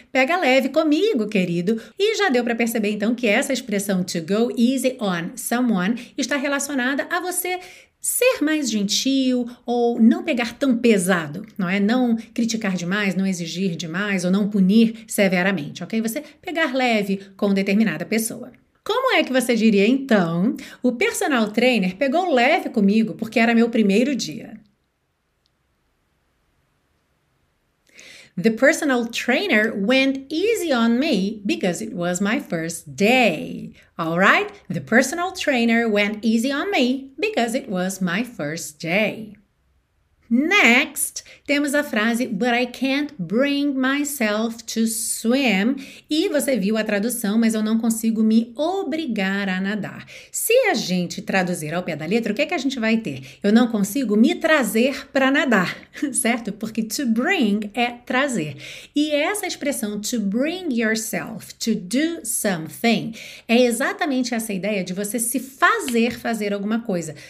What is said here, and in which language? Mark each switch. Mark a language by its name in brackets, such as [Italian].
[Portuguese] Pega leve comigo, querido. E já deu para perceber então que essa expressão [English] to go easy on someone [Portuguese] está relacionada a você ser mais gentil ou não pegar tão pesado, não é? Não criticar demais, não exigir demais ou não punir severamente, ok? Você pegar leve com determinada pessoa. Como é que você diria então? O personal trainer pegou leve comigo porque era meu primeiro dia. [English] The personal trainer went easy on me because it was my first day. All right? The personal trainer went easy on me because it was my first day. Next, [Portuguese] temos a frase, [English] but I can't bring myself to swim. [Portuguese] E você viu a tradução, mas eu não consigo me obrigar a nadar. Se a gente traduzir ao pé da letra, o que é que a gente vai ter? Eu não consigo me trazer para nadar, certo? Porque to bring é trazer. E essa expressão, [English] to bring yourself to do something, [Portuguese] é exatamente essa ideia de você se fazer alguma coisa.